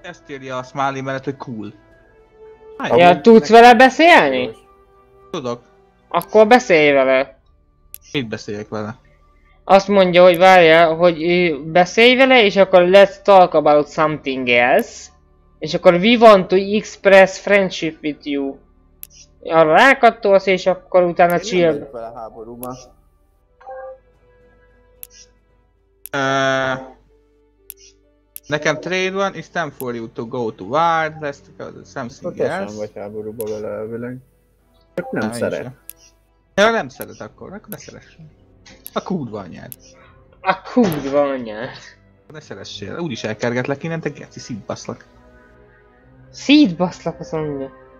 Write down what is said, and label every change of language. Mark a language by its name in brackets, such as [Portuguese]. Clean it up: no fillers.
[Hungarian] Ezt írja a smiley mellett, hogy cool. Hány, ja, tudsz vele beszélni? Tudok. Akkor beszélj vele. Mit beszéljek vele? Azt mondja, hogy várja, hogy beszélj vele, és akkor [English] let's talk about something else. [Hungarian] És akkor [English] we want to express friendship with you. [Hungarian] Arra rákattolsz, és akkor utána chill. Én nem vele háborúban. Nekem trade van, [English] it's time for you to go to war, let's take a something else. [Hungarian] Ott nem vagy háborúba vele elvileg. Csak nem szeret. Ja, nem szeret akkor, akkor ne szeressen. A kurva anyád. A kurva anyád. Ne szeressél, úgyis elkergetlek innen, te geci, szétbaszlak. Szétbaszlak az anyja.